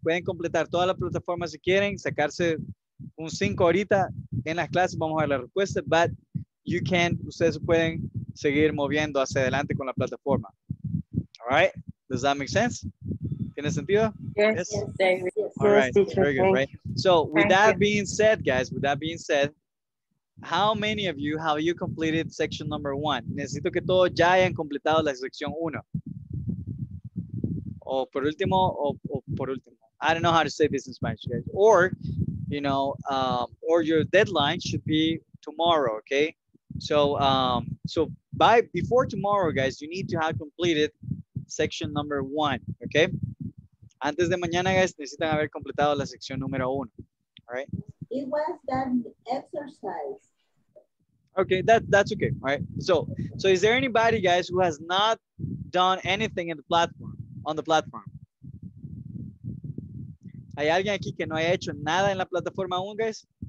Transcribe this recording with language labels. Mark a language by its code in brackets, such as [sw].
[es] Pueden completar toda la plataforma si quieren, sacarse un 5 ahorita en las clases, vamos a ver la respuesta, [en] but you can, [es] ustedes pueden seguir moviendo hacia adelante con la plataforma. [en] All right, does that make sense? [es] ¿Tiene sentido? [en] Yes. All right, teacher, very good, thank right? So with that you. Being said, guys, with that being said, how many of you have you completed section number one? [es] Necesito que todos ya hayan completado la sección uno. O por último, o por último. [en] I don't know how to say this in Spanish, guys. Or, you know, or your deadline should be tomorrow, okay? So, before tomorrow, guys, you need to have completed section number one, okay? [es] Antes de mañana, guys, necesitan haber completado la sección número uno, [en] all right? It was done exercise. Okay, that's okay, all right? So is there anybody, guys, who has not done anything in the platform? On the platform. [es] ¿Hay alguien aquí que no haya hecho nada en la plataforma aún, guys?